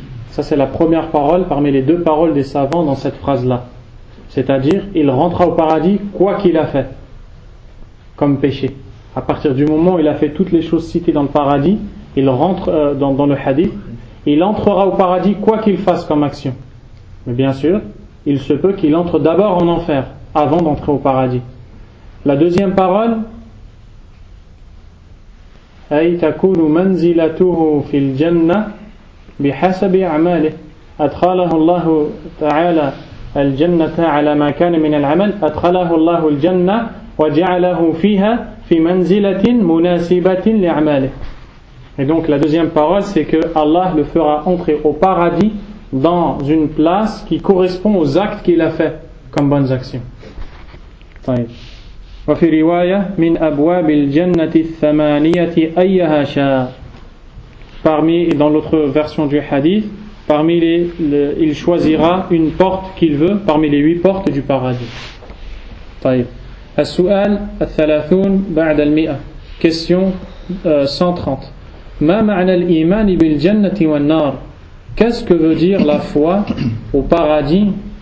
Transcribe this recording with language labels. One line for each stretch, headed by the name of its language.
French: Ça c'est la première parole parmi les deux paroles des savants dans cette phrase là, c'est à dire il rentrera au paradis quoi qu'il a fait comme péché. À partir du moment où il a fait toutes les choses citées dans le paradis, il rentre dans le hadith, il entrera au paradis quoi qu'il fasse comme action. Mais bien sûr, il se peut qu'il entre d'abord en enfer avant d'entrer au paradis. La deuxième parole,
Arabic: أي تكون منزلته في الجنة بحسب أعماله. أدخله الله تعالى الجنة على ما كان من العمل. أدخله الله الجنة وجعله فيها في منزلة مناسبة لأعماله.
French: Et donc la deuxième parole, c'est que Allah le fera entrer au paradis dans une place qui correspond aux actes qu'il a fait comme bonnes actions.
Arabic: طيب. وفي رواية من أبواب الجنة الثمانية أيها شاء.
French: Parmi, dans l'autre version du hadith, parmi il choisira une porte qu'il veut parmi les huit portes du paradis.
Arabic: طيب. السؤال الثلاثون بعد المئة.
French: Question 130.
Arabic: ما معنى الإيمان بالجنة والنار؟
French: Qu'est-ce que veut dire la foi au paradis